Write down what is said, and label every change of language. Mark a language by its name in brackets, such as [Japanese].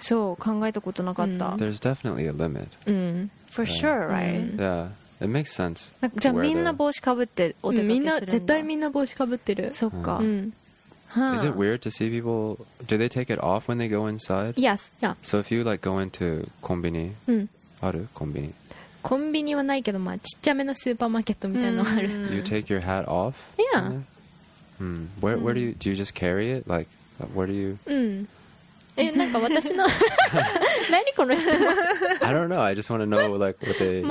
[Japanese] そう、考えたことなかった。 Mm. [English] There's definitely a limit. Mm. For yeah. sure, right? Mm. Yeah, it makes sense. [Japanese] じゃあみんな帽子かぶってお出かけするんだ。みんな、絶対みんな帽子かぶってる。そっか。 [English] Is it weird to see people, do they take it off when they go inside? Yes, yeah. So if you like go into コンビニ, [Japanese] あるコンビニ。コンビニはないけど、まあちっちゃめのスーパーマーケットみたいなのある。 [English] Mm. You take your hat off? Yeah. Mm. Where do you just carry it? Like, where do you? Mm. [Japanese] なんか私の何この質問。 [English] I don't know. I just want to know like what they